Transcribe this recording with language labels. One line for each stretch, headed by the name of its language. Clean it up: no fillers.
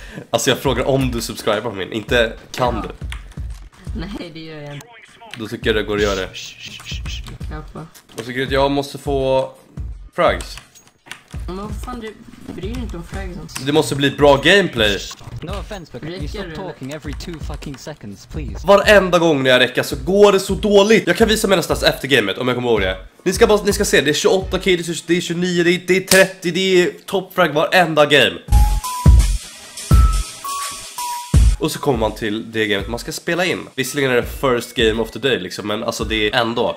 Swedish: Alltså jag frågar om du subscriber på min. Inte kan du. Nej, det gör jag inte. Då tycker jag det går att göra det. Kappa. Och så grejt, jag måste få... frags. Men vad fan, du bryr inte om fragsen. Det måste bli bra gameplay.
English: No offense, but you stop talking every two fucking seconds, please.
Swedish: Varenda gång när jag räcker så går det så dåligt. Jag kan visa mig nästan efter gamet om jag kommer ihåg det. Ni ska se, det är 28 kills, det är 29, det är 30, det är topfrag varenda game. Och så kommer man till det gamet man ska spela in. Visserligen är det
English: first game of the day
Swedish: liksom, men alltså det är ändå.